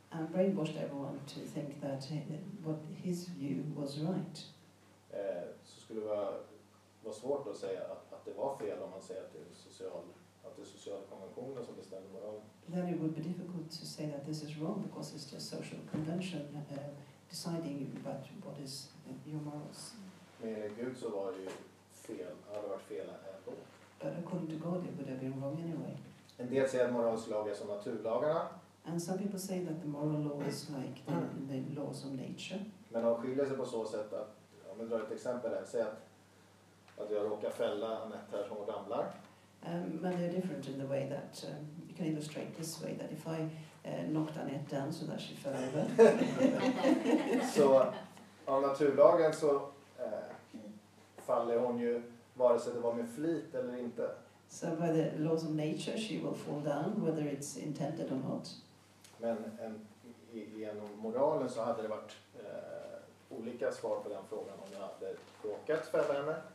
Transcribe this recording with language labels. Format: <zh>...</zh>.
<en>And brainwashed everyone to think that what his view was right.</en> <sv>Så skulle det vara svårt att säga att det var fel om man säger att det är sociala konventioner som bestämmer moralen.</sv> <en>Then it would be difficult to say that this is wrong because it's just social convention deciding about what is your morals.</en> <sv>Men enligt Gud så var det ju fel, hade varit fel ändå.</sv> <en>But according to God it would have been wrong anyway.</en> <sv>En del säger att moralslag är som naturlagarna.</sv> <en>And some people say that the moral law is like the laws of nature.</en> <sv>Men de skiljer sig på så sätt att, om vi drar ett exempel här, säg att jag råkar fälla Annette här som ramlar.</sv> <en>But they're different in the way that you can illustrate this way, that if I knocked Annette down so that she fell over.</en> <sv>Så av naturlagen så faller hon ju vare sig det var med flit eller inte.</sv> <en>So by the laws of nature she will fall down whether it's intended or not.</en> <sv>Men genom moralen så hade det varit olika svar på den frågan om jag hade råkat fälla henne.</sv>